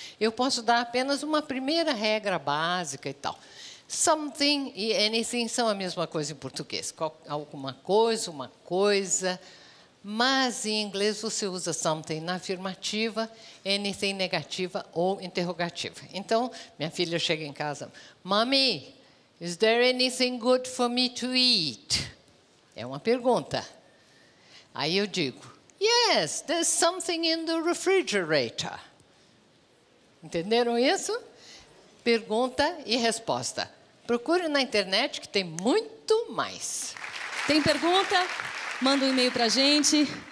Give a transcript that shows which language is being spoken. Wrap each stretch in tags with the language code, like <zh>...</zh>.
<pt>Eu posso dar apenas uma primeira regra básica e tal. Something e anything são a mesma coisa em português. Alguma coisa, uma coisa. Mas, em inglês, você usa something na afirmativa, anything negativa ou interrogativa. Então, minha filha chega em casa.</pt> <en>Mommy, is there anything good for me to eat?</en> <pt>É uma pergunta. Aí eu digo,</pt> <en>yes, there's something in the refrigerator.</en> <pt>Entenderam isso? Pergunta e resposta. Procure na internet que tem muito mais. Tem pergunta? Manda um e-mail pra gente.</pt>